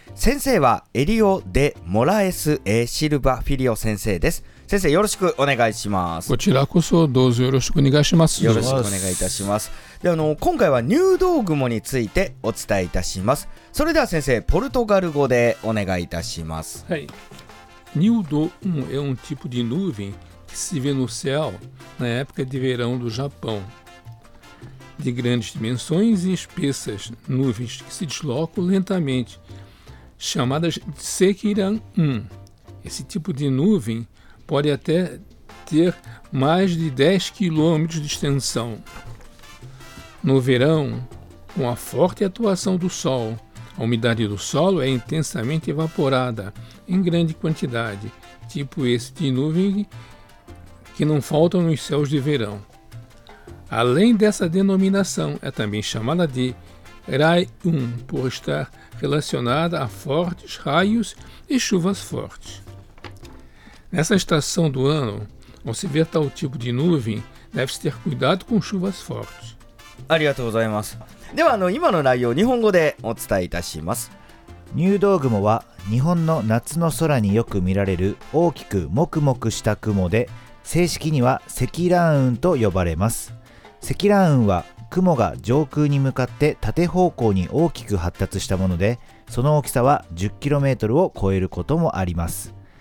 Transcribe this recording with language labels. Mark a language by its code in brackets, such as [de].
[ja] 先生はエリオ・デ・モラエス・エ・シルバ・フィリオ先生です。先生よろしくお願いします。こちらこそどうぞよろしくお願いします。よろしくお願いいたします。で、今回は入道雲についてお伝えいたします。それでは先生、ポルトガル語でお願いいたします。はい。 [pt] 入道雲 é um tipo de nuvem que se vê no céu na época de verão do Japão. De grandes dimensões e espessas nuvens que se deslocam lentamente, chamadas de Sekiran 1. Esse tipo de nuvem pode até ter mais de 10 km de extensão. No verão, com a forte atuação do sol, a umidade do solo é intensamente evaporada em grande quantidade, tipo esse de nuvem que não faltam nos céus de verão. Além dessa denominação, é também chamada de Rai-1, por estar relacionada a fortes raios e chuvas fortes. Nessa estação do ano, ao se ver tal tipo de nuvem, deve-se ter cuidado com chuvas fortes. [ja] ありがとうございます。では今の内容を日本語でお伝えいたします。入道雲は日本の夏の空によく見られる大きくもくもくした雲で、正式には積乱雲と呼ばれます。積乱雲は雲が上空に向かって縦方向に大きく発達したもので、その大きさは 10km を超えることもあります。